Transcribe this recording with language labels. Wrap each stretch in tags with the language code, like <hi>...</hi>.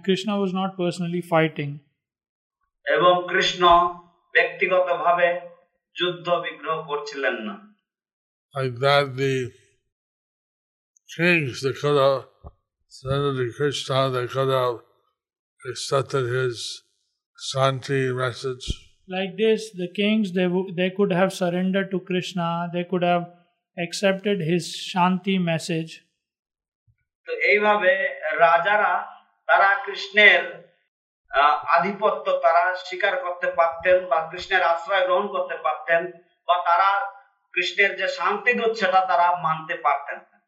<en>Krishna was not personally fighting.</en> <bn>এবং কৃষ্ণ ব্যক্তিগতভাবে যুদ্ধ বিগ্রহ করছিলেন না.</bn> <en>Like that, the kings, they could have surrendered to Krishna, they could have accepted his Shanti message. Like this, the kings, they could have surrendered to Krishna, they could have accepted his Shanti message.</en> <bn>So, এইভাবে রাজারা তারা কৃষ্ণের আধিপত্য তারা স্বীকার করতে পারতেন বা কৃষ্ণের আশ্রয় গ্রহণ করতে পারতেন বা তারা কৃষ্ণের যে শান্তি দূত সেটা তারা মানতে পারতেন.</bn>